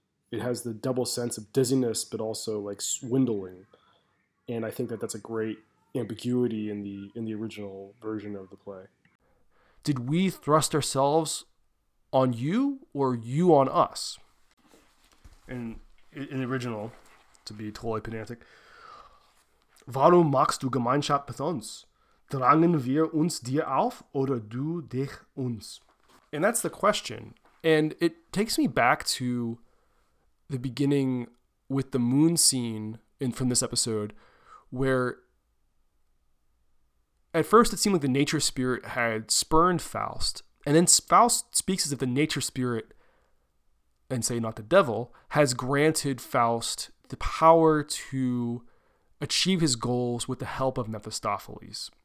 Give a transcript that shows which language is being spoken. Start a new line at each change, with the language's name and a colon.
English: It has the double sense of dizziness, but also like swindling. And I think that that's a great ambiguity in the original version of the play. Did we thrust ourselves on you or you on us? In the original, to be totally pedantic,
German: warum machst du Gemeinschaft mit uns? Drangen wir uns dir auf oder du dich uns?
English: And that's the question. And it takes me back to the beginning with the moon scene from this episode, where at first it seemed like the nature spirit had spurned Faust, and then Faust speaks as if the nature spirit, and say not the devil, has granted Faust the power to achieve his goals with the help of Mephistopheles.